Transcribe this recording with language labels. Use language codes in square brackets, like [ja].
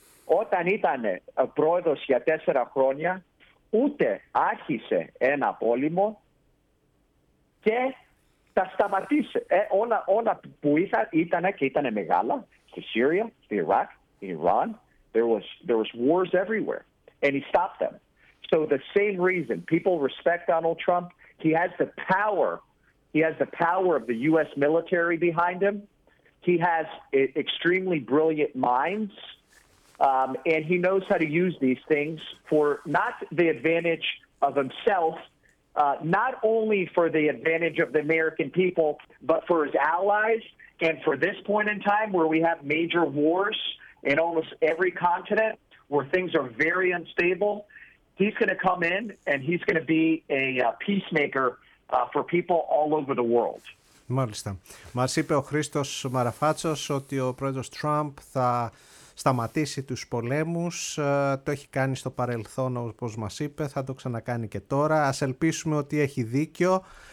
[el] Όταν ήταν πρόεδρος για 4 χρόνια, ούτε άρχισε ένα πόλεμο και τα σταματήσε. Όλα που ήταν και ήταν μεγάλα, στη Συρία, στη Ιράκ, στη Ιράν, [en] there was wars everywhere, and he stopped them. So the same reason, people respect Donald Trump, he has the power. He has the power of the U.S. military behind him. He has extremely brilliant minds, and he knows how to use these things for not the advantage of himself, not only for the advantage of the American people, but for his allies and for this point in time where we have major wars in almost every continent where things are very unstable. He's going to come in, and he's going to be a peacemaker for people all over the world. [el] Μάλιστα. Μας είπε ο Χρήστος Μαραφάτσος ότι ο πρόεδρος Τραμπ θα σταματήσει τους πολέμους. Το έχει κάνει στο παρελθόν, όπως μας είπε, θα το ξανακάνει και τώρα. Ας ελπίσουμε ότι έχει δίκιο.